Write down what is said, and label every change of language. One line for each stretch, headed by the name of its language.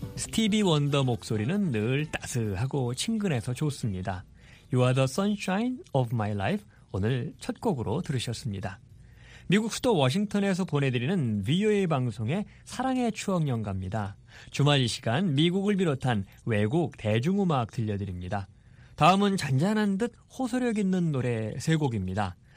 Korean: TV 원더 목소리는 늘 따스하고 친근해서 좋습니다.
English: You are the sunshine of my life.
Korean: 오늘 첫 곡으로 들으셨습니다. 미국 수도 워싱턴에서 보내드리는 VOA 방송의 사랑의 추억연가입니다. 주말 이 시간 미국을 비롯한 외국 대중음악 들려드립니다. 다음은 잔잔한 듯 호소력 있는 노래 세 곡입니다.